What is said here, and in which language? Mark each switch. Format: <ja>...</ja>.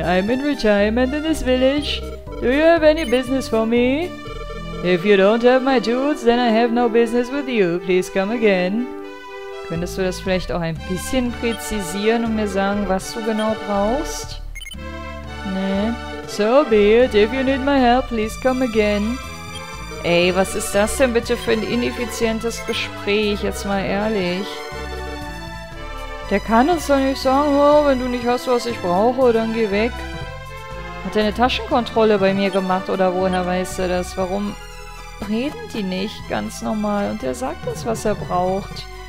<en>I'm in retirement in this village. Do you have any business for me? If you don't have my tools, then I have no business with you. Please come again.</en> <de>Könntest du das vielleicht auch ein bisschen präzisieren und mir sagen, was du genau brauchst? Nee.</de> <en>So be it. If you need my help, please come again.</en> <de>Ey, was ist das denn bitte für ein ineffizientes Gespräch? Jetzt mal ehrlich. Der kann uns doch nicht sagen, oh, wenn du nicht hast, was ich brauche, dann geh weg. Hat er eine Taschenkontrolle bei mir gemacht oder woher weißt du das? Warum reden die nicht ganz normal und er sagt uns, was er braucht?</de>